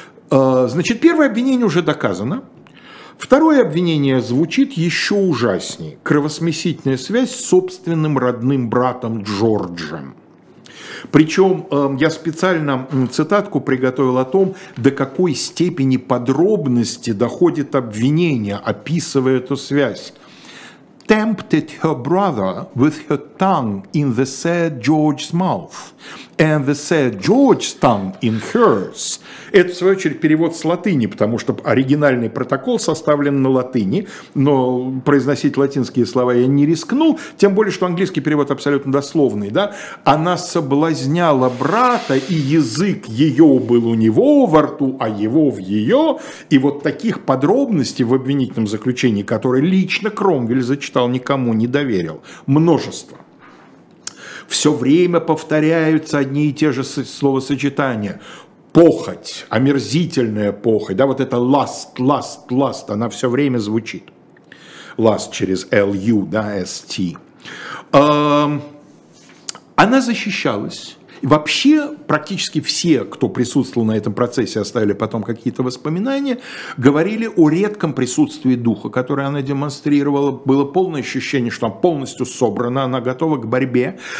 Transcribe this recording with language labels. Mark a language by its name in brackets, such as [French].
[Russian] Значит, первое обвинение уже доказано. Второе обвинение звучит еще ужаснее. Кровосмесительная связь с собственным родным братом Джорджем. Причем я специально цитатку приготовил о том, до какой степени подробности доходит обвинение, описывая эту связь. [English] Tempted her brother with her tongue in the said George's mouth, and the said George's tongue in hers. [Russian] Это, в свою очередь, перевод с латыни, потому что оригинальный протокол составлен на латыни, но произносить латинские слова я не рискнул, тем более, что английский перевод абсолютно дословный. Да? Она соблазняла брата, и язык ее был у него во рту, а его в ее. И вот таких подробностей в обвинительном заключении, которые лично Кромвель зачитал, никому не доверил. Множество. Все время повторяются одни и те же словосочетания. Похоть, омерзительная похоть, да, вот это last, last, last, она все время звучит. Last через L-U, да, S-T. Она защищалась. И вообще, практически все, кто присутствовал на этом процессе, оставили потом какие-то воспоминания, говорили о редком присутствии духа, которое она демонстрировала. Было полное ощущение, что она полностью собрана, она готова к борьбе.